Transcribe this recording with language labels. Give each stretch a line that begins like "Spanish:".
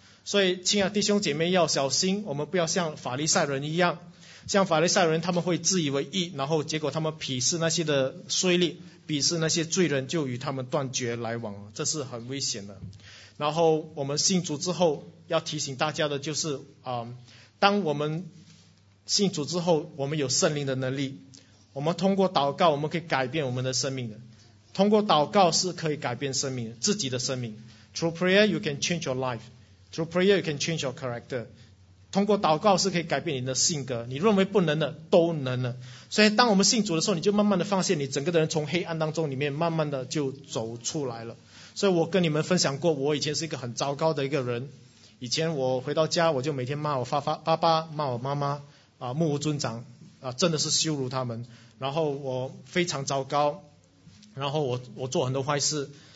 Chinese: 所以亲爱的弟兄姐妹要小心，我们不要像法利赛人一样，像法利赛人他们会自以为义，然后结果他们鄙视那些的税吏，鄙视那些罪人，就与他们断绝来往，这是很危险的。然后我们信主之后要提醒大家的就是当我们信主之后，我们有圣灵的能力，我们通过祷告我们可以改变我们的生命的，通过祷告是可以改变生命的，自己的生命。
English: Through prayer you can change your life. Through prayer you can change your character.
Chinese: 通过祷告是可以改变你的性格，你认为不能的都能了。所以当我们信主的时候，你就慢慢的发现你整个的人从黑暗当中里面慢慢的就走出来了。所以我跟你们分享过，我以前是一个很糟糕的一个人，以前我回到家我就每天骂我爸爸骂我妈妈目无尊长真的是羞辱他们，然后我非常糟糕，然后我做很多坏事